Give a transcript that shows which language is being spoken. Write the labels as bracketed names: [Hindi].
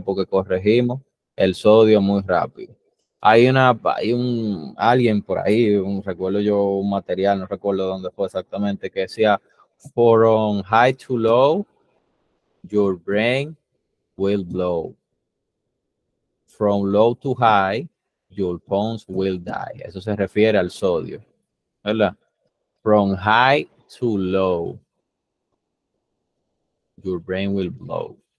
[Spanish] Porque corregimos el sodio muy rápido. Hay alguien por ahí, recuerdo yo un material, no recuerdo dónde fue exactamente, que decía, [English] from high to low, your brain will blow. From low to high, your bones will die. [Spanish] Eso se refiere al sodio, ¿verdad? [English] From high to low, your brain will blow.